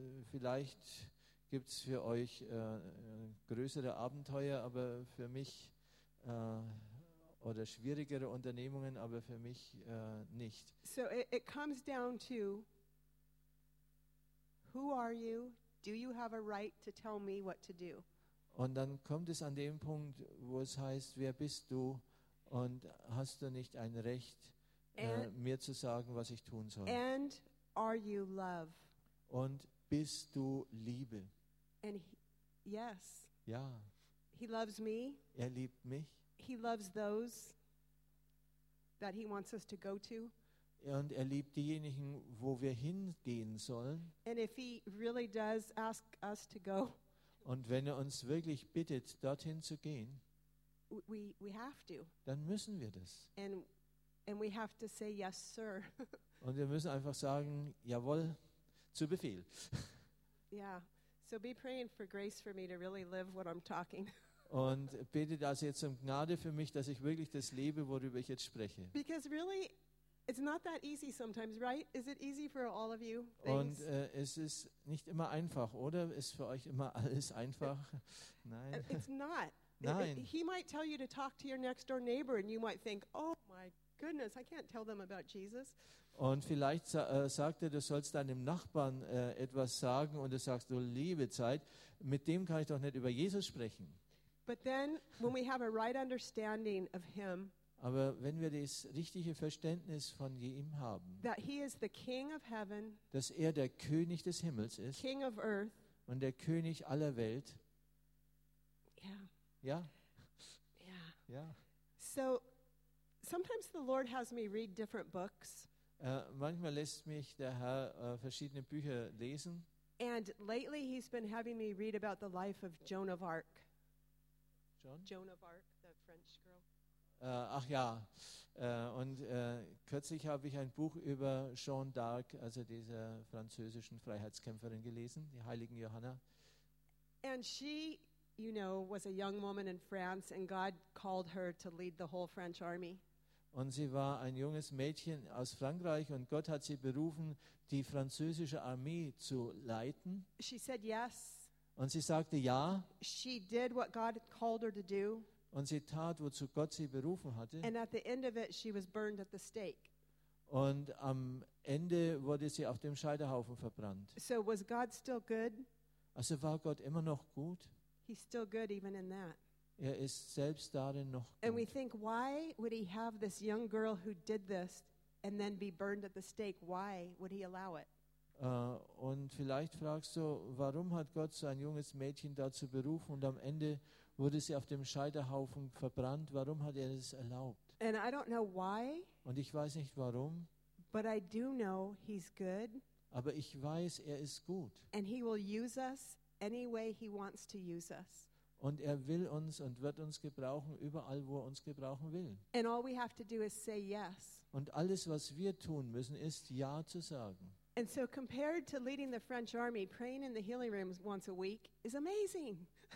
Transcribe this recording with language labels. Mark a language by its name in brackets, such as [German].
[German] Vielleicht gibt es für euch größere Abenteuer, aber für mich oder schwierigere Unternehmungen, aber für mich nicht. [English] So it comes down to who are you? Do you have a right to tell me what to do? [German] Und dann kommt es an dem Punkt, wo es heißt, wer bist du und hast du nicht ein Recht, mir zu sagen, was ich tun soll? [English] And are you love? [German] Und bist du Liebe? [English] And yes. [German] Ja. [English] He loves me. [German] Er liebt mich. [English] He loves those that he wants us to go to. [German] Und er liebt diejenigen, wo wir hingehen sollen. [English] And if he really does ask us to go. [German] Und wenn er uns wirklich bittet, dorthin zu gehen. [English] We have to. [German] Dann müssen wir das. [English] And we have to say yes, sir. [German] Und wir müssen einfach sagen, jawohl, zu Befehl. [English] Yeah. So be praying for grace for me to really live what I'm talking. [German] Und betet also jetzt um Gnade für mich, dass ich wirklich das lebe, worüber ich jetzt spreche. [English] Because really, it's not that easy sometimes, right? Is it easy for all of you? Things? [German] Und es ist nicht immer einfach, oder? Ist für euch immer alles einfach? Nein. [English] It's not. [German] Nein. [English] He might tell you to talk to your next door neighbor and you might think, oh my goodness, I can't tell them about Jesus. [German] Und vielleicht sagt er, du sollst deinem Nachbarn etwas sagen und du sagst, du liebe Zeit, mit dem kann ich doch nicht über Jesus sprechen. [English] But then, when we have a right understanding of him, [German] aber wenn wir das richtige Verständnis von ihm haben, [English] that he is the King of heaven, [German] dass er der König des Himmels ist, [English] King of earth, [German] und der König aller Welt, [English] yeah. [German] Ja. [English] Yeah. [German] Ja. [English] So, sometimes the Lord has me read different books. [German] Manchmal lässt mich der Herr verschiedene Bücher lesen. [English] And lately he's been having me read about the life of Joan of Arc. John? Joan of Arc, the French girl. [German] Ach ja, und kürzlich habe ich ein Buch über Joan d'Arc, also dieser französischen Freiheitskämpferin gelesen, die Heiligen Johanna. [English] And she, you know, was a young woman in France and God called her to lead the whole French army. [German] Und sie war ein junges Mädchen aus Frankreich und Gott hat sie berufen, die französische Armee zu leiten. [English] She said yes. [German] Und sie sagte ja. [English] She did what God called her to do. [German] Und sie tat, wozu Gott sie berufen hatte. [English] And at the end of it, she was burned at the stake. [German] Und am Ende wurde sie auf dem Scheiterhaufen verbrannt. [English] So was God still good? [German] Also war Gott immer noch gut? [English] He's still good even in that. [German] Er ist selbst darin noch gut. [English] And we think, why would he have this young girl who did this and then be burned at the stake? Why would he allow it? [German] Und vielleicht fragst du, warum hat Gott so ein junges Mädchen dazu berufen und am Ende wurde sie auf dem Scheiterhaufen verbrannt? Warum hat er es erlaubt? [English] And I don't know why, [German] und ich weiß nicht warum. [English] But I do know he's good, [German] aber ich weiß, er ist gut. [English] And he will use us any way he wants to use us. [German] Und er will uns und wird uns gebrauchen, überall, wo er uns gebrauchen will. [English] And all we have to do is say yes. [German] Und alles, was wir tun müssen, ist ja zu sagen. [English] And so compared to leading the French army, praying in the healing rooms once a week is amazing.